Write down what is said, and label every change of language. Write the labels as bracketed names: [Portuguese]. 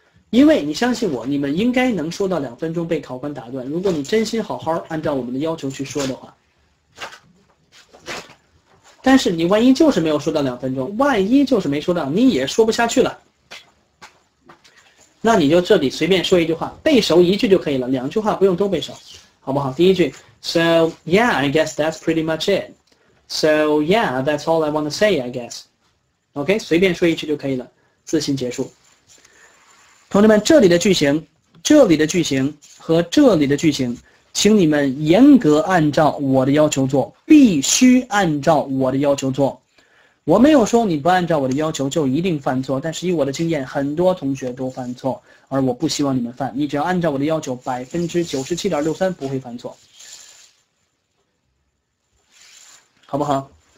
[Chinese] 因为你相信我，你们应该能说到两分钟被考官打断，如果你真心好好按照我们的要求去说的话。但是你万一就是没有说到两分钟，万一就是没说到，你也说不下去了，那你就这里随便说一句话，背熟一句就可以了，两句话不用都背熟，好不好？第一句 [English] So yeah, I guess that's pretty much it. So yeah, that's all I want to say, I guess. [Chinese] OK, 随便说一句就可以了，自信结束。同志们，这里的句型，这里的句型和这里的句型，请你们严格按照我的要求做，必须按照我的要求做。我没有说你不按照我的要求就一定犯错，但是以我的经验，很多同学都犯错，而我不希望你们犯。你只要按照我的要求，97.63%不会犯错，好不好？